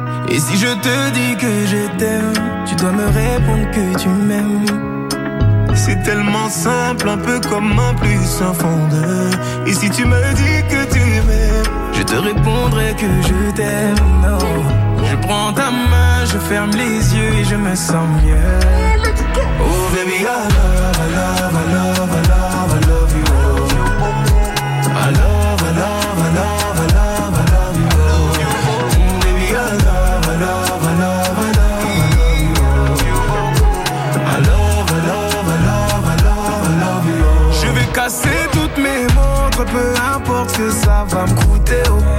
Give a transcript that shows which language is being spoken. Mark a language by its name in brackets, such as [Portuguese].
[French] Et si je te dis que je t'aime, tu dois me répondre que tu m'aimes. C'est tellement simple, un peu comme un plus un fond de. Et si tu me dis que tu m'aimes, je te répondrai que je t'aime. Oh. Je prends ta main, je ferme les yeux et je me sens mieux. [English] Oh baby, I love, I love, I love, I love, I love you. Oh. I love, I love, I love, I love, I love you. Oh. Baby, I love, I love, I love, I love, I love you. I love, I love, I love, I love, I love you. [French] Je vais casser toutes mes montres, peu importe ce que ça va me coûter. Oh.